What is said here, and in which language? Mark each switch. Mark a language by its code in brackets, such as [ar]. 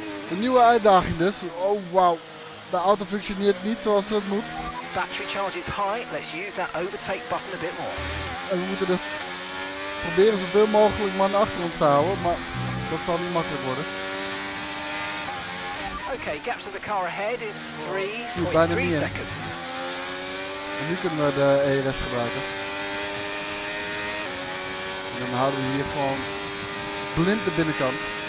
[nl] Een nieuwe uitdaging dus. Oh wow, de auto functioneert niet zoals het moet. [en] Battery charge is high. Let's use that overtake button a bit more. [nl] En we moeten dus proberen zoveel mogelijk man achter ons te houden, maar dat zal niet makkelijk worden. [en] Okay, gaps of the car ahead is 3.3 seconds. [nl] En nu kunnen we de ERS gebruiken. En dan houden we hier gewoon blind de binnenkant.